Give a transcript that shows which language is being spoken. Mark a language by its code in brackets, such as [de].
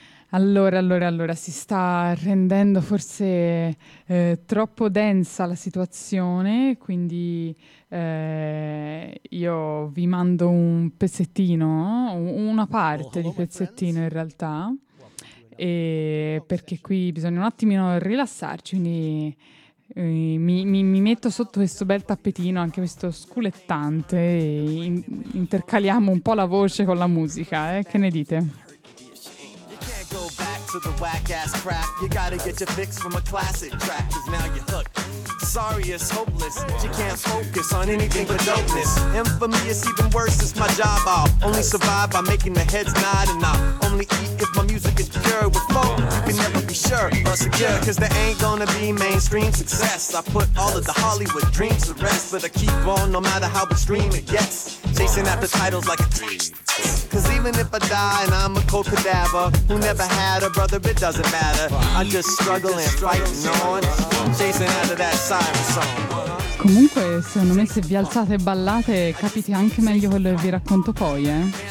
[it] Allora, si sta rendendo forse troppo densa la situazione, quindi io vi mando un pezzettino, una parte di pezzettino in realtà, e perché qui bisogna un attimino rilassarci, quindi mi metto sotto questo bel tappetino, anche questo sculettante, e intercaliamo un po' la voce con la musica, che ne dite? [en] To the whack ass crap, you gotta get your fix from a classic track, 'cause now you're hooked. Sorry, it's hopeless, you can't focus on anything but dopeness. Infamy is even worse, it's my job. I'll only survive by making the heads nod, and I'll only eat if my music is pure with folk. You can never be be sure, but secure, cause there ain't gonna be mainstream success. I put all of the Hollywood dreams to rest, but I keep on no matter how extreme it gets. Chasing after titles like a dream. Cause even if I die and I'm a cold cadaver who never had a brother, it doesn't matter. I'm just struggling, fighting on, chasing after that siren song. [it] Comunque, secondo me, se vi alzate e ballate, capite anche meglio quello che vi racconto poi, eh?